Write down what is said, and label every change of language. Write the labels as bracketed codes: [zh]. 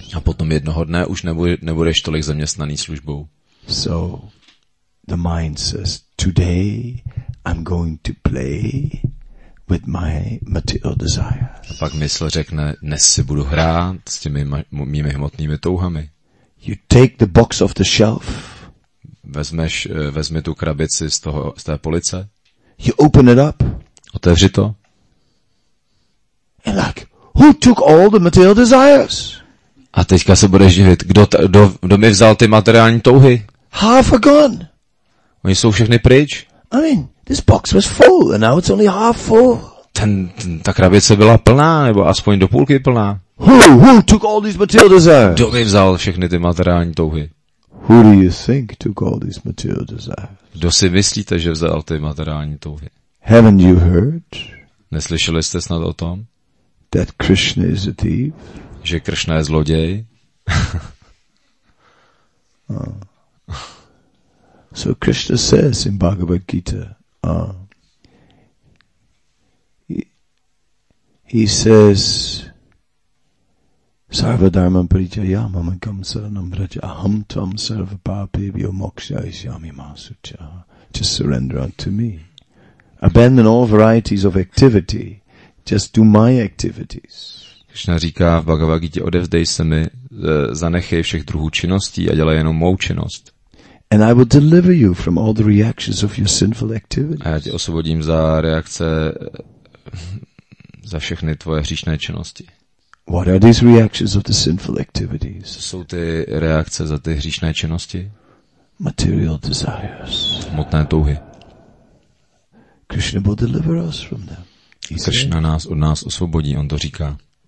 [cs] A potom jednoho dne už nebudeš tolik zaměstnaný službou. [en] So the mind says, today I'm going to play with my material desires. [cs] A pak mysl řekne, dnes si budu hrát s těmi mými hmotnými touhami. [en] You take the box off the shelf. [cs] Vezmi tu krabici z té police. [en] You open it up. [cs] Otevři to. [en] And like, who took all the material desires? [cs] A teďka se budeš divit, kdo mi vzal ty materiální touhy? [en] Half are gone. [cs] Oni jsou všechny pryč. [en] I mean, this box was full and now it's only half full. [cs] Ta krabice byla plná, nebo aspoň do půlky plná. [en] Who took all these material desires? [cs] Kdo mi vzal všechny ty materiální touhy? [en] Who do you think took all these material desires? [cs] Kdo si myslíte, že vzal ty materiální touhy? [en] Haven't you heard? [cs] Neslyšeli jste snad o tom? [en] That Krishna is a thief. [cs] Že Krishna je zloděj? [en] So Krishna says in Bhagavad Gita, he says, [sa] Sarva dharmam parijaya mama kam saranam braja aham tvam sarva papebhyo moksha isyami masucha. [en] Just surrender unto me. Abandon all varieties of activity. Just do my activities. [cs] Krishna říká v Bhagavad Gita, odevzdej se mi, zanechej všech druhů činností a dělej jenom mou činnost. [en] And I will deliver you from all the reactions of your sinful activities. [cs] A já tě osvobodím za reakce za všechny tvoje hříšné činnosti. [en] What are these reactions of the sinful activities? [cs] Co jsou ty reakce za ty hříšné činnosti? [en] Material desires. [cs] Hmotné touhy. [en] Krishna will deliver us from them. [cs] Krishna nás od nás osvobodí, on to říká.